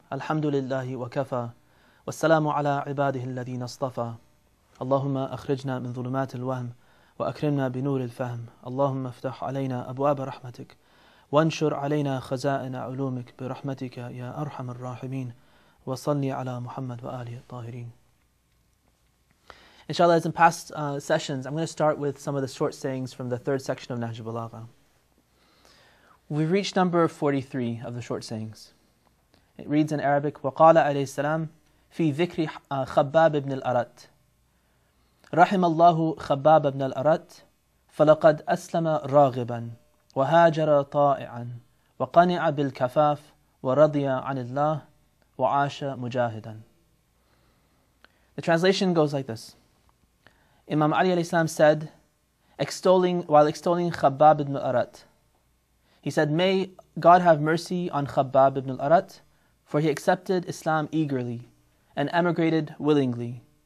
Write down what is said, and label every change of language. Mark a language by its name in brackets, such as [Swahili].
[Arabic] الحمد لله وكفى والسلام على عباده الذين اصطفى. اللهم أخرجنا من ظلمات الوهم وأكرمنا بنور الفهم. اللهم افتح علينا أبواب رحمتك وانشر علينا خزائن علومك برحمتك يا أرحم الراحمين. وصلي على محمد وآله الطاهرين. [English] Inshallah, as in past sessions, I'm going to start with some of the short sayings from the third section of NAHJ UL-BALAGHA. We've reached number 43 of the short sayings. It reads in Arabic, [Arabic] وَقَالَ عَلَيْهِ السَّلَامِ فِي ذِكْرِ خَبَّابِ بْنِ الْأَرَتِ رحم الله خباب بن الأرت فلقد أسلم راغبا وهاجر طائعا وقنع بالكفاف ورضي عن الله وعاش مجاهدا. [English] The translation goes like this. Imam Ali alayhi salam said, while extolling Khabbab ibn al-Arat, he said, may God have mercy on Khabbab ibn al-Arat, for he accepted Islam eagerly and emigrated willingly.